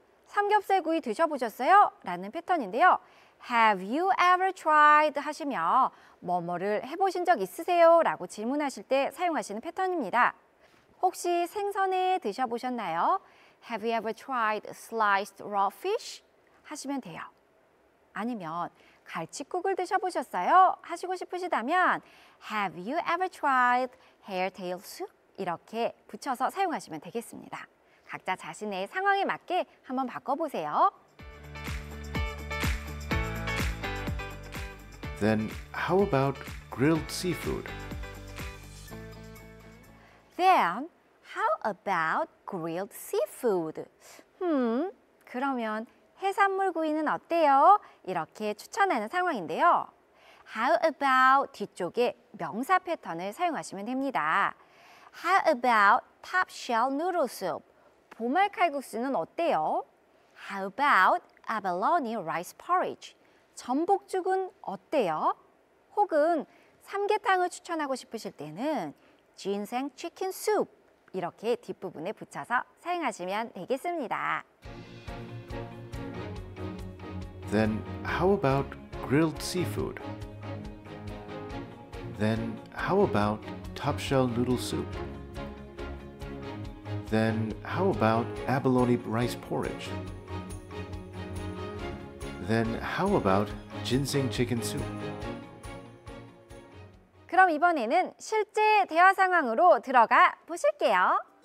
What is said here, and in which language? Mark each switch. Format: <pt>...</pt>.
<ko>삼겹살 구이 드셔보셨어요? 라는 패턴인데요.</ko> <en>Have you ever tried?</en> <ko>하시며 뭐뭐를 해보신 적 있으세요? 라고 질문하실 때 사용하시는 패턴입니다. 혹시 생선에 드셔보셨나요?</ko> <en>Have you ever tried sliced raw fish?</en> <ko>하시면 돼요. 아니면 갈치국을 드셔보셨어요? 하시고 싶으시다면</ko> <en>Have you ever tried hare tail soup?</en> <ko>이렇게 붙여서 사용하시면 되겠습니다. 각자 자신의 상황에 맞게 한번 바꿔보세요.</ko> <en>Then how about grilled seafood? Then how about grilled seafood?</en> <ko>그러면 해산물 구이는 어때요? 이렇게 추천하는 상황인데요.</ko> <en>How about</en> <ko>뒤쪽에 명사 패턴을 사용하시면 됩니다.</ko> <en>How about top shell noodle soup?</en> <ko>보말 칼국수는 어때요?</ko> <en>How about abalone rice porridge?</en> <ko>전복죽은 어때요? 혹은 삼계탕을 추천하고 싶으실 때는</ko> <en>ginseng chicken soup</en> <ko>이렇게 뒷부분에 붙여서 사용하시면 되겠습니다.</ko> <en>Then how about grilled seafood? Then how about top shell noodle soup? Then how about abalone rice porridge? Then how about ginseng chicken soup?</en> <ko>그럼 이번에는 실제 대화 상황으로 들어가 보실게요.</ko>